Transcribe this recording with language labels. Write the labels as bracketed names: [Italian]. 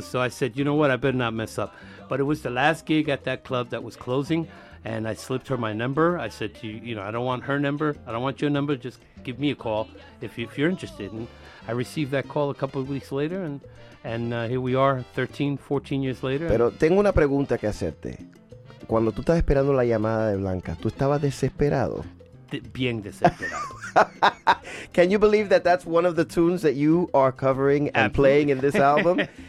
[English] So I said, you know what? I better not mess up. But it was the last gig at that club that was closing, and I slipped her my number. I said to you, you know, I don't want her number. I don't want your number. Just give me a call if you're interested. And I received that call a couple of weeks later, and here we are, 13, 14 years later. [Spanish] Pero tengo una pregunta que hacerte. Cuando tú estabas esperando la llamada de Blanca, ¿tú estabas desesperado? Bien desesperado. [English] Can you believe that that's one of the tunes that you are covering and playing in this album?